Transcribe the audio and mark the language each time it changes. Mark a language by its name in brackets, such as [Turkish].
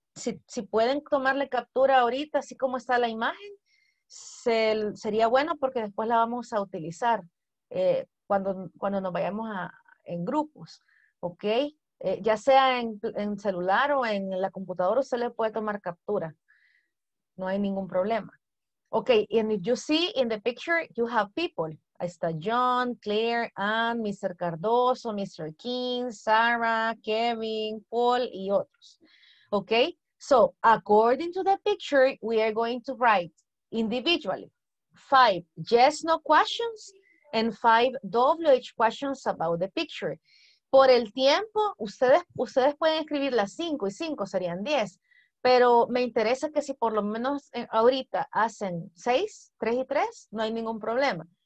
[Spanish] Si pueden tomarle captura ahorita, así como está la imagen, sería bueno porque después la vamos a utilizar cuando nos vayamos en grupos, ¿ok? Ya sea en celular o en la computadora, usted le puede tomar captura. No hay ningún problema. [English] Ok, and if you see in the picture, you have people. [Spanish] Ahí está [English] John, Claire, Ann, Mr. [Spanish] Cardoso, Mr. King, Sarah, Kevin, Paul y otros, ¿ok? [English] So, according to the picture, we are going to write individually 5 yes, no questions and 5 WH questions about the picture. [Spanish] Por el tiempo, ustedes pueden escribir las 5 y 5 serían 10, pero me interesa que si por lo menos ahorita hacen 6, 3 y 3, no hay ningún problema.